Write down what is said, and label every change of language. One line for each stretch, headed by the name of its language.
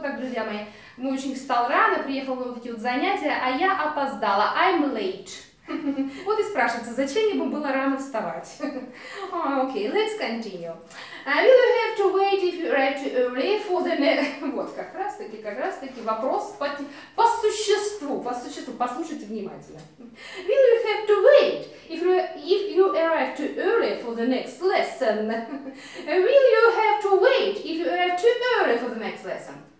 Russian: Вот так, друзья мои, мой ученик встал рано, приехал на эти вот занятия, а я опоздала.
English: I'm late.
Russian: Вот и спрашивается, зачем ему было рано вставать?
English: Okay, let's continue. Will you have to wait if you arrive too early for the next...
Russian: Вот, как раз таки вопрос по существу, послушайте внимательно.
English: Will you have to wait if you arrive too early for the next lesson? Will you have to wait if you arrive too early for the next lesson?